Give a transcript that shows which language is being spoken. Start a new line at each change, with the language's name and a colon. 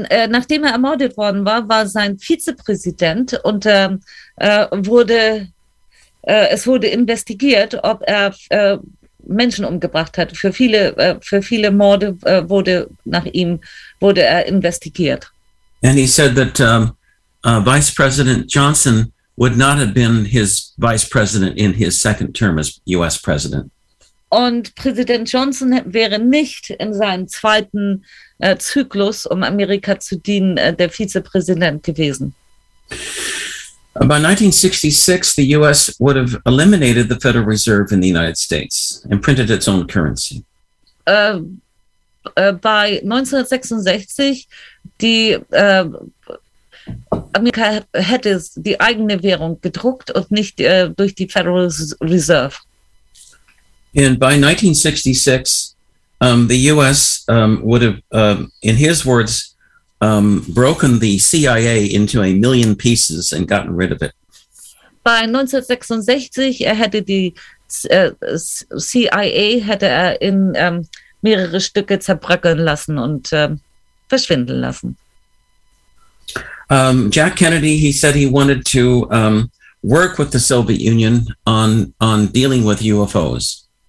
German: Nachdem er ermordet worden war, war sein Vizepräsident und es wurde investigiert, ob er Menschen umgebracht hat. Für viele Morde wurde er investigiert.
English: And he said that Vice President Johnson would not have been his vice president in his second term as U.S. president.
German: Und Präsident Johnson wäre nicht in seinem zweiten Zyklus, um Amerika zu dienen, der Vizepräsident gewesen.
English: By 1966, the U.S. would have eliminated the Federal Reserve in the United States and printed its own currency. By 1966,
German: Amerika hätte die eigene Währung gedruckt und nicht durch die Federal Reserve.
English: And by 1966, the U.S. Would have, in his words, broken the CIA into a million pieces and gotten rid of it. By 1966,
German: hätte er die CIA in mehrere Stücke zerbröckeln lassen und verschwinden lassen.
English: Jack Kennedy, he said he wanted to work with the Soviet Union on dealing with UFOs.